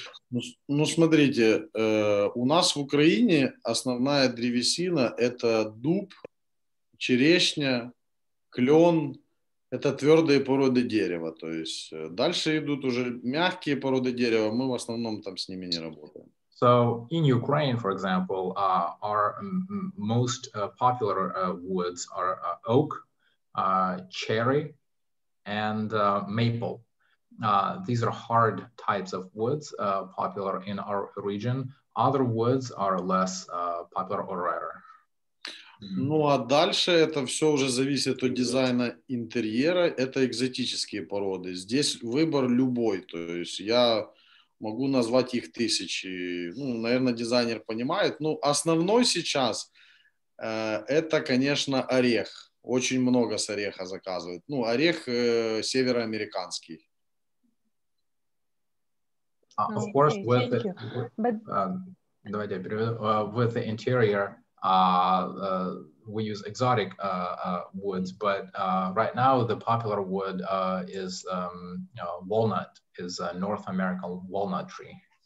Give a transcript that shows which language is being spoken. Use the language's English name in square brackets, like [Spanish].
[Russian] Ну, смотрите, у нас в Украине основная древесина это дуб, черешня, клен, Это твердые породы дерева, то есть дальше идут уже мягкие породы дерева, мы в основном там с ними не работаем. [English] So in Ukraine, for example, our most popular woods are oak, cherry, and maple. These are hard types of woods popular in our region. Other woods are less popular or rarer. [Russian] Ну а дальше это все уже зависит от дизайна интерьера. Это экзотические породы. Здесь выбор любой. То есть я могу назвать их тысячи. Ну, наверное, дизайнер понимает. Ну, основной сейчас это, конечно, орех. Очень много с ореха заказывают. Ну, орех североамериканский. [English] Of course, okay, with, with the interior, we use exotic woods, but right now the popular wood is walnut, is a North American walnut tree.